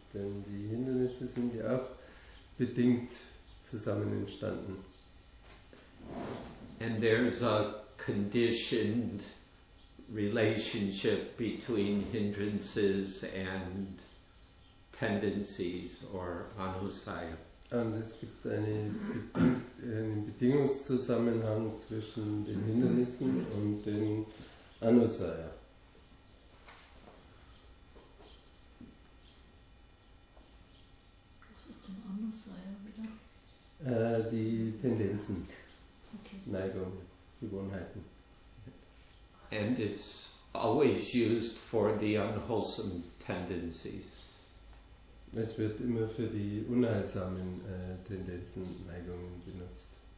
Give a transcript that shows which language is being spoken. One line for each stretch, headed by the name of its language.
German: Denn die Hindernisse sind ja auch bedingt zusammen entstanden.
English: And there's a conditioned relationship between hindrances and tendencies or anusaya.
German: Und es gibt einen Bedingungszusammenhang zwischen den Hindernissen und den Anusaya. Was ist denn Anusaya wieder? Die Tendenzen, okay. Neigungen, Gewohnheiten.
English: And it's always used for the unwholesome tendencies.
German: Es wird immer für die unheilsamen Tendenzen, Neigungen benutzt.